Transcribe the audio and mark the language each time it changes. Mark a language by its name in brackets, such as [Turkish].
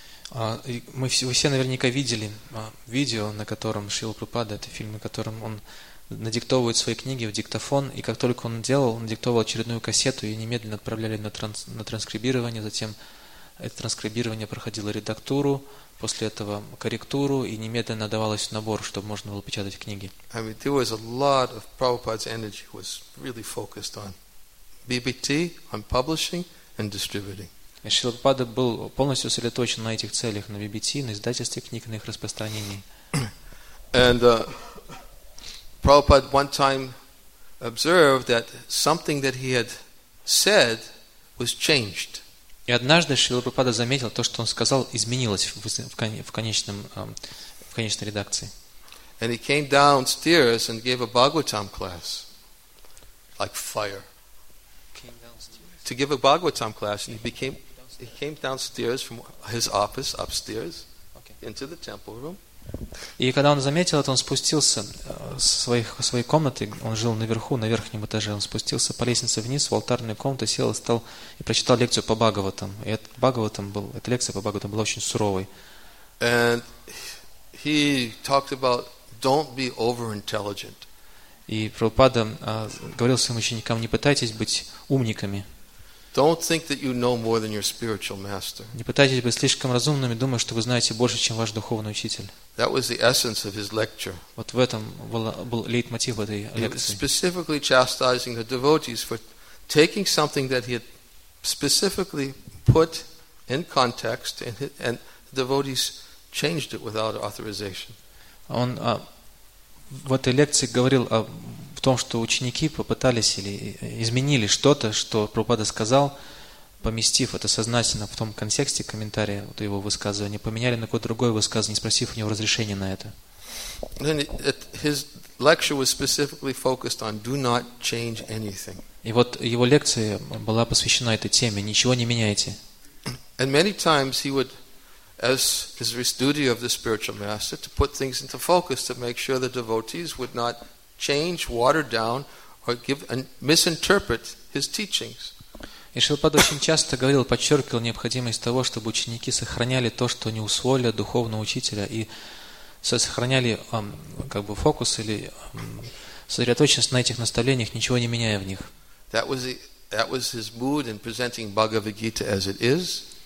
[Russian] Вы все наверняка видели видео, на котором Шрила Прабхупада, это фильм, на котором он надиктовывает свои книги в диктофон, и как только он делал, он диктовал очередную кассету и немедленно отправляли на транскрибирование, затем это транскрибирование проходило редактуру, после этого корректуру, и немедленно давалось в набор, чтобы можно было печатать книги. [English] I mean, there was a lot of Prabhupada's energy was really focused on BBT, on publishing and distributing. [Russian] И Шрила Прабхупада был полностью сосредоточен на этих целях, на BBT, на издательстве книг, на их распространении. [English] And Prabhupada one time observed that something that he had said was changed. [Russian] И однажды Шрила Прабхупада заметил, то, что он сказал, изменилось в конечной редакции. [English] And he came downstairs and gave a Bhagavatam class, like fire. To give a Bhagavatam class, and he came downstairs from his office upstairs into the temple room. [Russian] И когда он заметил это, он спустился в своей комнаты, он жил наверху, на верхнем этаже, он спустился по лестнице вниз в алтарную комнату, сел и стал и прочитал лекцию по Бхагаватам. И эта лекция по Бхагаватам была очень суровой. [English] And he talked about don't be over intelligent. [Russian] И Прабхупада говорил своим ученикам: не пытайтесь быть умниками. [English] Don't think that you know more than your spiritual master. [Russian] Не пытайтесь быть слишком разумными, думая, что вы знаете больше, чем ваш духовный учитель. [English] That was the essence of his lecture. [Russian] Вот в этом был лейтмотив этой лекции. [English] Specifically chastising the devotees for taking something that he had specifically put in context and the devotees changed it without authorization. [Russian] Он в этой лекции говорил о том, что ученики попытались или изменили что-то, что Прабхупада сказал, поместив это сознательно в том контексте комментария, вот его высказывания, поменяли на какое-то другое высказывание, не спросив у него разрешения на это. [English] His lecture was specifically focused on do not change anything. [Russian] И вот его лекция была посвящена этой теме: ничего не меняйте. [English] And many times he would, as is the duty of the spiritual master, to put things into focus to make sure the devotees would not change, water down, or give and misinterpret his teachings. [Russian] И Шилпад очень часто говорил, подчеркивал необходимость того, чтобы ученики сохраняли то, что не усвоили от духовного учителя, и сохраняли как бы фокус или сосредоточенность на этих наставлениях, ничего не меняя в них. [English] That was his mood in presenting Bhagavad Gita as it is.